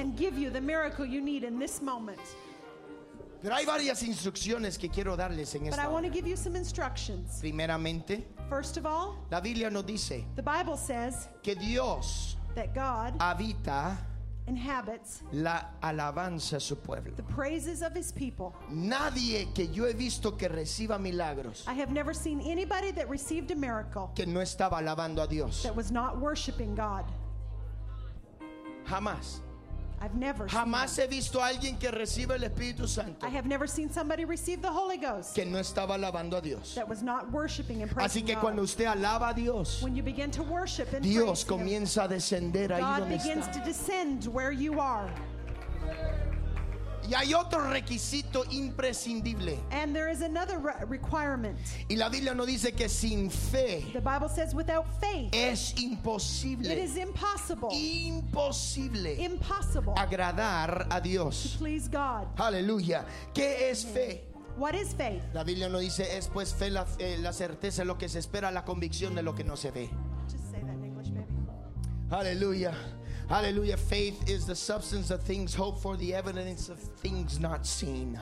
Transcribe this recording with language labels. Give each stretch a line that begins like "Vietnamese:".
English: And give you the miracle you need in this moment.
Spanish: Pero hay varias instrucciones que quiero darles en
English: but
Spanish: esta
English: Want to give you some instructions.
Spanish: Primeramente,
English: first of all,
Spanish: la Biblia nos dice
English: the Bible says
Spanish: que Dios
English: that God
Spanish: habita
English: inhabits
Spanish: la alabanza a su pueblo.
English: The praises of his people.
Spanish: Nadie que yo he visto que reciba milagros.
English: I have never seen anybody that received a miracle.
Spanish: Que no estaba alabando a Dios.
English: That was not worshiping God.
Spanish: Jamás.
English: I've never
Spanish: jamás
English: seen
Spanish: he visto a alguien que reciba el Espíritu Santo.
English: I have never seen somebody receive the Holy Ghost.
Spanish: Que no estaba alabando a Dios.
English: That was not worshiping and praising
Spanish: God. Así que cuando usted alaba a Dios,
English: when you begin to worship and
Spanish: Dios
English: praise
Spanish: comienza
English: him,
Spanish: a descender
English: God
Spanish: ahí donde está.
English: God begins to descend where you are.
Spanish: Y hay otro requisito imprescindible.
English: And there is another requirement.
Spanish: Y la Biblia nos dice que sin fe.
English: The Bible says without faith.
Spanish: Es imposible.
English: It is impossible.
Spanish: Imposible.
English: Impossible.
Spanish: Agradar a Dios.
English: To please God.
Spanish: Aleluya. ¿Qué es fe?
English: What is faith?
Spanish: La Biblia nos dice es pues fe la, la certeza de lo que se espera, la convicción de lo que no se ve.
English: Just say that in English, baby. Aleluya. Hallelujah. Faith is the substance of things hoped for, the evidence of things not seen.